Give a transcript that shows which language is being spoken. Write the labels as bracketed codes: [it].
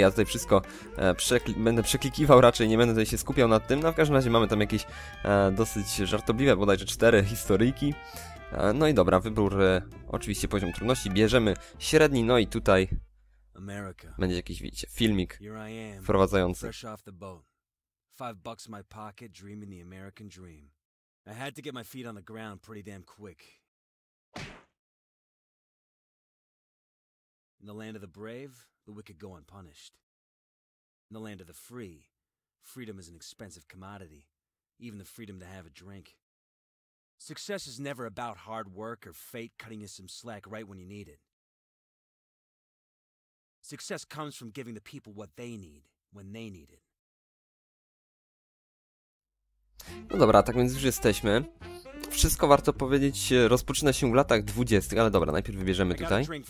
[pl] Ja tutaj wszystko będę przeklikiwał raczej, nie będę tutaj się skupiał nad tym. No w każdym razie mamy tam jakieś dosyć żartobliwe bodajże 4 historyjki. No i dobra, wybór, oczywiście poziom trudności, bierzemy średni, no i tutaj America. Będzie jakiś, widzicie, filmik wprowadzający. [en] Fresh off the boat. $5 in my pocket, dreaming the American dream. I had to get my feet on the ground pretty damn quick. In the land of the brave, the wicked go unpunished. In the land of the free, freedom is an expensive commodity, even the freedom to have a drink. Success is never about hard work or fate cutting you some slack right when you need it. Success comes from giving the people what they need when they need it. [pl] No dobra, tak więc już jesteśmy. Wszystko, warto powiedzieć, rozpoczyna się w latach 20, ale dobra, najpierw wybierzemy tutaj.